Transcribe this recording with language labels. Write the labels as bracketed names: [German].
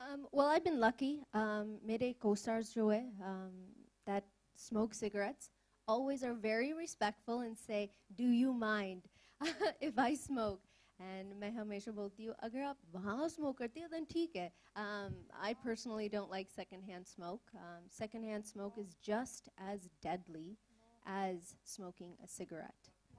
[English] Well, I've been lucky. [Hindi] Mere [English] co-stars [Hindi] jo hai, [English] that smoke cigarettes always are very respectful and say, do you mind if I smoke? And [Hindi] मैं हमेशा बोलती हूँ, अगर आप वहाँ smoke करती हो, [English] then [Hindi] ठीक है. [English] I personally don't like secondhand smoke. Secondhand smoke is just as deadly as smoking a cigarette.